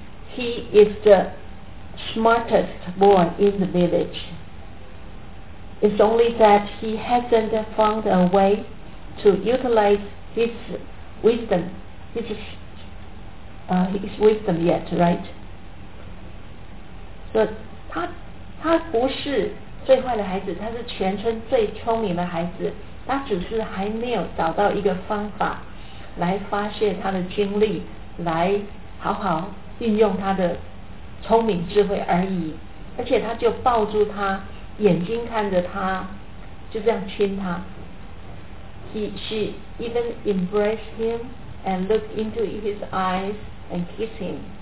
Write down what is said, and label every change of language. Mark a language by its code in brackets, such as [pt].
[en] He is the smartest boy in the village. It's only that he hasn't found a way to utilize his wisdom, his wisdom yet, right? [zh] So, 他不是最坏的孩子，他是全村最聪明的孩子，他只是还没有找到一个方法来发泄他的精力，来好好运用他的聪明智慧而已。而且他就抱住他，眼睛看着他，就这样亲他。 [en] She even embraced him and looked into his eyes and kissed him.